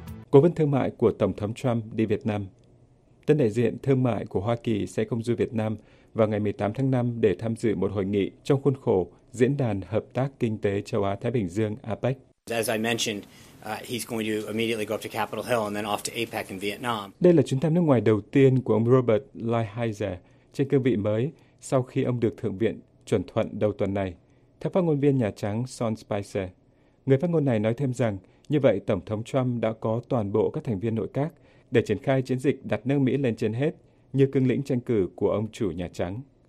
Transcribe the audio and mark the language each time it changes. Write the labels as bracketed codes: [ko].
[vi] Cố vấn thương mại của Tổng thống Trump đi Việt Nam. Tân đại diện thương mại của Hoa Kỳ sẽ công du Việt Nam vào ngày 18 tháng 5 để tham dự một hội nghị trong khuôn khổ Diễn đàn Hợp tác Kinh tế Châu Á-Thái Bình Dương APEC. [en] As I mentioned, he's going to immediately go up to Capitol Hill and then off to APEC in Vietnam. [vi] Đây là chuyến thăm nước ngoài đầu tiên của ông Robert Lighthizer trên cương vị mới sau khi ông được Thượng viện chuẩn thuận đầu tuần này. Theo phát ngôn viên Nhà Trắng Sean Spicer, người phát ngôn này nói thêm rằng như vậy Tổng thống Trump đã có toàn bộ các thành viên nội các để triển khai chiến dịch đặt nước Mỹ lên trên hết như cương lĩnh tranh cử của ông chủ Nhà Trắng.